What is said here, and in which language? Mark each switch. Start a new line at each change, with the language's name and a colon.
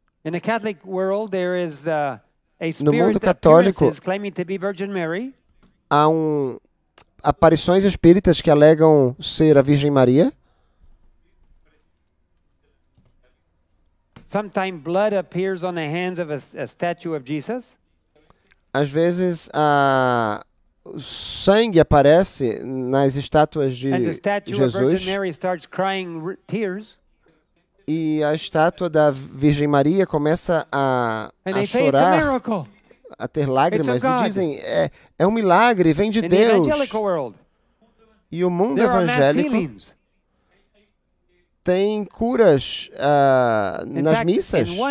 English: In the Catholic world, there is a spirit
Portuguese: no mundo católico,
English: that claiming to be Virgin Mary.
Portuguese: Há aparições espíritas que alegam ser a Virgem Maria.
English: Sometimes blood appears on the hands of a statue of Jesus.
Portuguese: Às vezes o sangue aparece nas estátuas de Jesus.
English: And the statue of Virgin Mary starts crying tears.
Portuguese: E a estátua da Virgem Maria começa a chorar, a ter lágrimas, e dizem, é um milagre, vem de Deus. E o mundo evangélico tem curas nas missas.